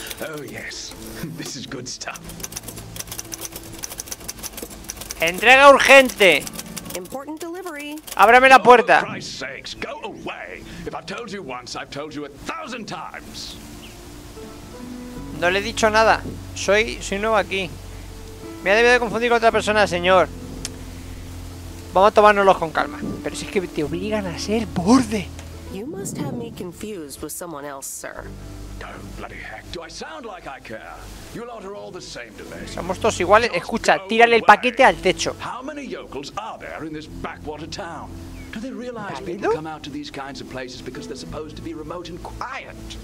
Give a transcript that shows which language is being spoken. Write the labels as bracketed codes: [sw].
[en] Oh yes, this is good stuff. [es] Entrega urgente. [en] Important delivery. [es] Ábrame la puerta. [en] Oh, Christ's sakes, go away. If I've told you once, I've told you a thousand times. [es] No le he dicho nada. Soy nuevo aquí. Me ha debido de confundir con otra persona, señor. Vamos a tomárnoslo con calma. Pero si es que te obligan a ser borde. [en] You must have me confused with someone else, sir. Oh, bloody heck. Do I sound like I care? You lot are all the same to me. [es] Somos todos iguales. Escucha, tírale el paquete al techo. [en] How many yokels are there in this backwater town? Do they realize people come out to these kinds of places because they're supposed to be remote and quiet?